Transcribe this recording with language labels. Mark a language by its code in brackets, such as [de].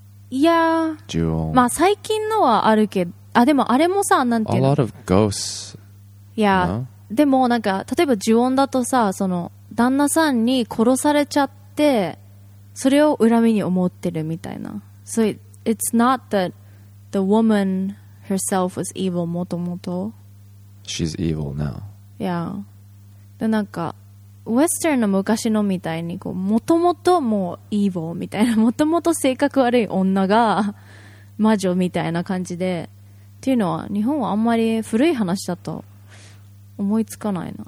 [en] Yeah. Jewel. [ja] まあ最近のはあるけど、あ、でもあれもさ、なんていうの？ [en] A lot of ghosts. Yeah. You know? [ja] でもなんか例えば呪怨だとさ、その旦那さんに殺されちゃって、それを恨みに思ってるみたいな。 [en] So it's not that the woman herself was evil [ja] もともと。 [en] She's evil now. Yeah. [ja] でなんか、ウェスターンの昔のみたいに、こう、もともともう evil みたいな、もともと性格悪い女が魔女みたいな感じで、っていうのは日本はあんまり古い話だと思いつかないの。